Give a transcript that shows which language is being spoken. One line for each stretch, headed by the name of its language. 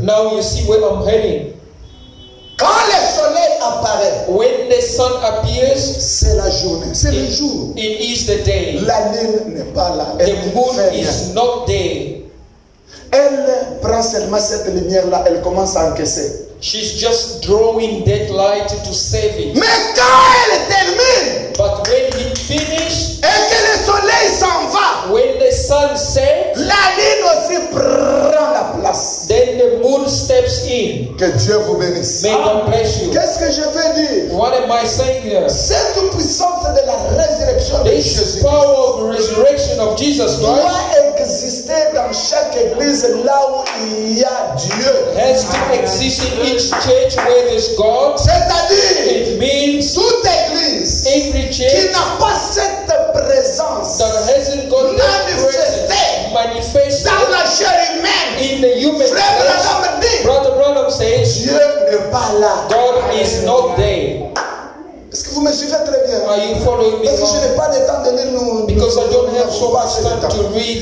English: Now you see where I'm heading.
French: Quand le soleil apparaît,
English: when the sun appears,
French: c'est la journée, c'est le jour.
English: It is the day.
French: La lune n'est pas là.
English: The moon is not there.
French: Elle prend seulement cette lumière là, elle commence à encaisser.
English: She's just drawing that light to save it.
French: Mais quand elle termine,
English: but when it finishes,
French: et que le soleil s'en va,
English: when the sun sets,
French: la lune aussi prend la place.
English: Then the moon steps in.
French: Que Dieu vous bénisse.
English: May God bless you.
French: Qu'est-ce que je veux dire?
English: What am I saying here?
French: Cette puissance de la résurrection
English: this
French: de Jésus.
English: This power of resurrection of Jesus Christ.
French: Exister dans chaque église là où il y a Dieu.
English: Has to exist in each church where there's God.
French: C'est-à-dire,
English: it means
French: toute église,
English: every church,
French: qui n'a pas cette présence,
English: that hasn't got manifested
French: dans la chair humaine,
English: in the human
French: flesh. Frère Branham dit,
English: Brother Branham says,
French: Dieu n'est pas là.
English: God is not there.
French: Est-ce que vous me suivez très bien?
English: Are you following me?
French: Parce que je n'ai pas le temps de lire nos.
English: Because I don't have so much time to read.